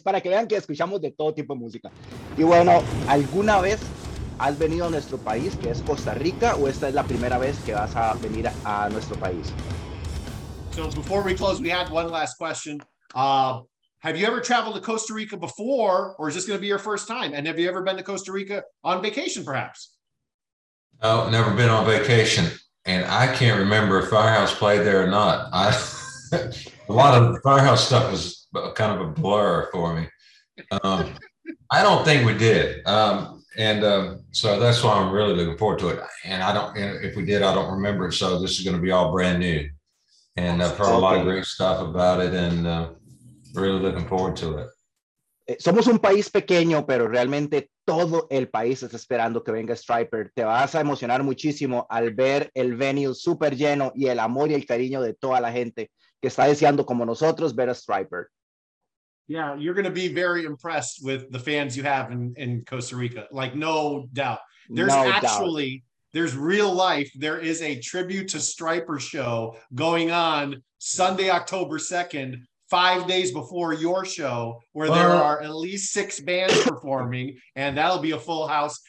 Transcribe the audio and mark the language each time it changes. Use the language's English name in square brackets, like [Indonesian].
[Spanish] Para que vean que escuchamos de todo tipo de música. Y bueno, ¿alguna vez has venido a nuestro país, que es Costa Rica, o esta es la primera vez que vas a venir a nuestro país? [English] So before we close, we had one last question. Have you ever traveled to Costa Rica before, or is this going to be your first time? And have you ever been to Costa Rica on vacation, perhaps? Oh, never been on vacation. And I can't remember if Firehouse played there or not. A lot of Firehouse stuff was kind of a blur for me. I don't think we did. So that's why I'm really looking forward to it. And I don't, and if we did, I don't remember it. So this is going to be all brand new. And I've heard a lot of great stuff about it and really looking forward to it. [Spanish] Somos un país pequeño, pero realmente todo el país está esperando que venga Stryper. Te vas a emocionar muchísimo al ver el venue súper lleno y el amor y el cariño de toda la gente que está deseando, como nosotros, ver a Stryper. [English] Yeah, you're going to be very impressed with the fans you have in Costa Rica. Like, no doubt. There's no actually, doubt. There's real life. There is a tribute to Stryper show going on Sunday, October 2nd, 5 days before your show, where there are at least 6 bands performing, and that'll be a full house.